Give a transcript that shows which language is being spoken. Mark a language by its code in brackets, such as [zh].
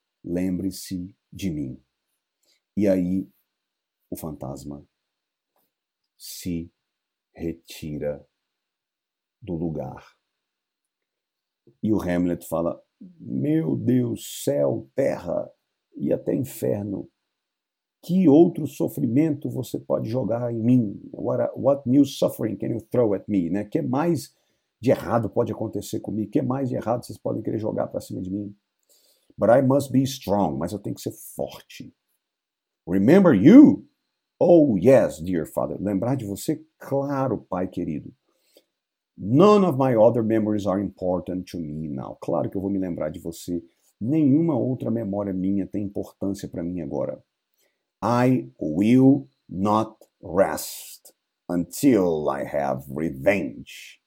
[pt] Lembre-se de mim. E aí o fantasma se retira do lugar. E o Hamlet fala, meu Deus, céu, terra e até inferno, que outro sofrimento você pode jogar em mim? [en] What new suffering can you throw at me? [pt] O né? Que mais de errado pode acontecer comigo? O que mais de errado vocês podem querer jogar para cima de mim? [en] But I must be strong, [pt] mas eu tenho que ser forte. [en] Remember you? Oh, yes, dear father. [pt] Lembrar de você? Claro, pai querido. [en] None of my other memories are important to me now. [pt] Claro que eu vou me lembrar de você. Nenhuma outra memória minha tem importância para mim agora. [en] I will not rest until I have revenge.